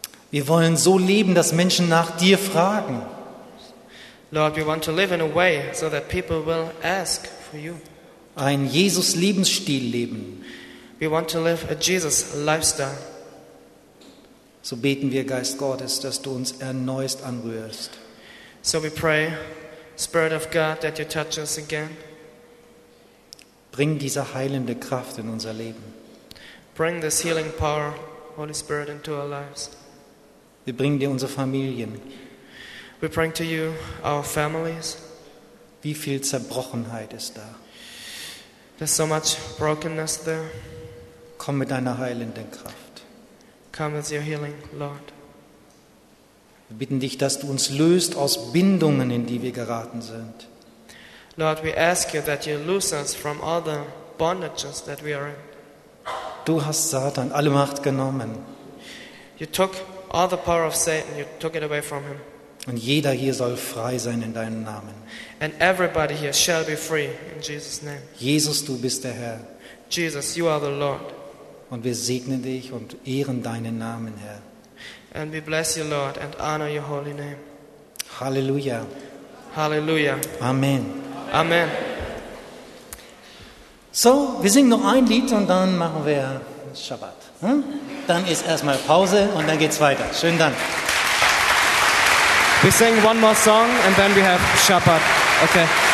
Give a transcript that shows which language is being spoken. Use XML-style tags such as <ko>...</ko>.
<de>Wir wollen so leben, dass Menschen nach dir fragen.</de> <en>Lord, we want to live in a way so that people will ask for you.</en> <de>Ein Jesus-Lebensstil leben.</de> <en>We want to live a Jesus lifestyle.</en> <de>So beten wir, Geist Gottes, dass du uns erneuerst, anrührst.</de> <en>So we pray, Spirit of God, that you touch us again.</en> <de>Bring diese heilende Kraft in unser Leben.</de> <en>Bring this healing power, Holy Spirit, into our lives.</en> <de>Wir bringen dir unsere Familien.</de> <en>We bring to you our families.</en> <de>Wie viel Zerbrochenheit ist da?</de> <en>There's so much brokenness there.</en> <de>Komm mit deiner heilenden Kraft.</de> <en>Come with your healing, Lord.</en> <de>Wir bitten dich, dass du uns löst aus Bindungen, in die wir geraten sind.</de> <en>Lord, we ask you that you loose us from all the bondages that we are in.</en> <de>Du hast Satan alle Macht genommen.</de> <en>You took all the power of Satan, you took it away from him.</en> <de>Und jeder hier soll frei sein in deinem Namen.</de> <en>And everybody here shall be free in Jesus' name.</en> <de>Jesus, du bist der Herr.</de> <en>Jesus, you are the Lord.</en> <de>Und wir segnen dich und ehren deinen Namen, Herr.</de> <en>And we bless you, Lord, and honor your holy name. Halleluja. Halleluja. Amen. Amen.</en> <de>So, wir singen noch ein Lied und dann machen wir Shabbat. Dann ist erstmal Pause und dann geht's weiter. Schönen Dank.</de> <en>We sing one more song and then we have Shabbat. Okay.</en>